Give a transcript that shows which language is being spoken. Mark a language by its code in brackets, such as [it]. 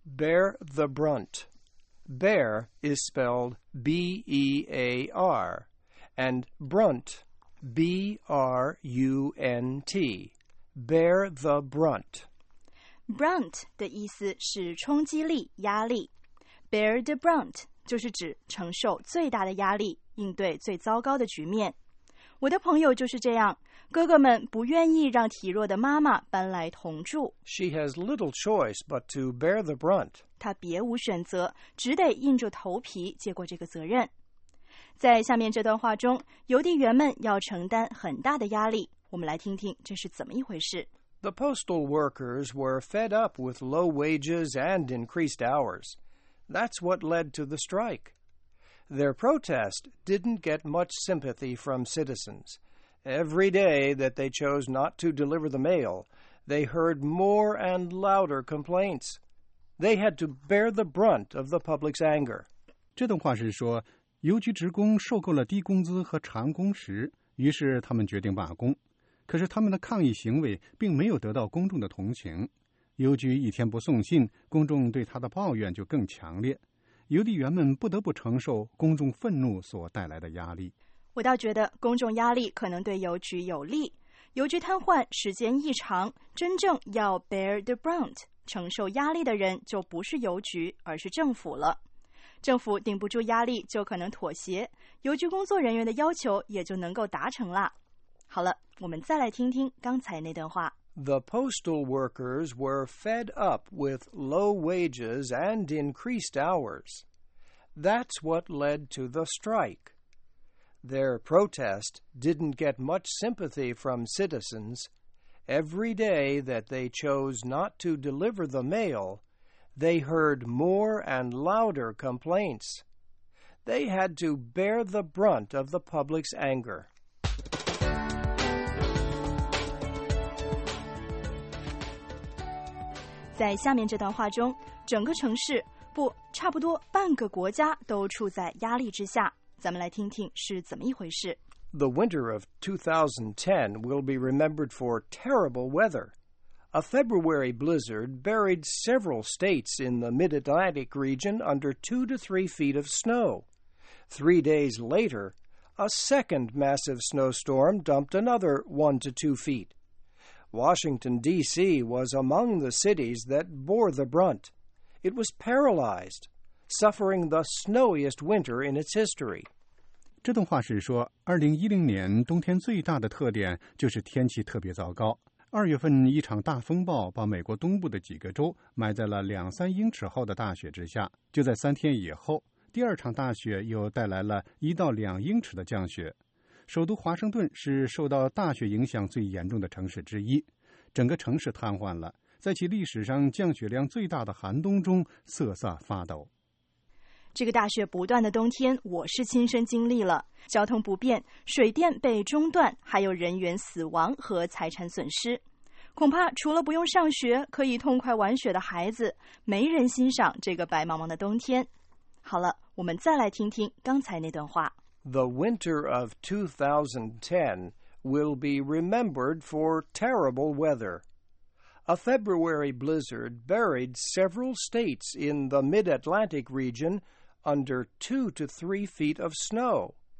[en] Bear the brunt。 Bear is spelled B-E-A-R, and brunt, B-R-U-N-T, bear the brunt. [zh] Brunt 的意思是冲击力、压力。 Bear the brunt 就是指承受最大的压力，应对最糟糕的局面。我的朋友就是这样，哥哥们不愿意让体弱的妈妈搬来同住。 [en] She has little choice but to bear the brunt. [zh] 她别无选择，只得硬着头皮接过这个责任。在下面这段话中，邮递员们要承担很大的压力，我们来听听这是怎么一回事。 [en] The postal workers were fed up with low wages and increased hours. That's what led to the strike. Their protest didn't get much sympathy from citizens. Every day that they chose not to deliver the mail, they heard more and louder complaints. They had to bear the brunt of the public's anger. [zh] 这段话是说，邮局职工受够了低工资和长工时，于是他们决定罢工。可是他们的抗议行为并没有得到公众的同情。邮局一天不送信，公众对他的抱怨就更强烈。邮递员们不得不承受公众愤怒所带来的压力。我倒觉得公众压力可能对邮局有利。邮局瘫痪时间一长，真正要 bear the brunt 承受压力的人就不是邮局，而是政府了。政府顶不住压力，就可能妥协，邮局工作人员的要求也就能够达成了。好了，我们再来听听刚才那段话。 [en] The postal workers were fed up with low wages and increased hours. That's what led to the strike. Their protest didn't get much sympathy from citizens. Every day that they chose not to deliver the mail, they heard more and louder complaints. They had to bear the brunt of the public's anger. [zh] In 下面这段话中，整个城市，不，差不多半个国家都处在压力之下。咱们来听听是怎么一回事。 [en] The winter of 2010 will be remembered for terrible weather. A February blizzard buried several states in the mid-Atlantic region under 2 to 3 feet of snow. 3 days later, a second massive snowstorm dumped another 1 to 2 feet. Washington, D.C. was among the cities that bore the brunt. It was paralyzed, suffering the snowiest winter in its history. [zh] 这段话是说，2010年冬天最大的特点就是天气特别糟糕。二月份一场大风暴把美国东部的几个州埋在了两三英尺厚的大雪之下。就在三天以后，第二场大雪又带来了1到2英尺的降雪。首都华盛顿是受到大雪影响最严重的城市之一，整个城市瘫痪了，在其历史上降雪量最大的寒冬中瑟瑟发抖。这个大雪不断的冬天，我是亲身经历了，交通不便，水电被中断，还有人员死亡和财产损失。恐怕除了不用上学可以痛快玩雪的孩子，没人欣赏这个白茫茫的冬天。好了，我们再来听听刚才那段话。 [en] The winter of 2010 will be remembered for terrible weather. A February blizzard buried several states in the mid-Atlantic region under 2 to 3 feet of snow.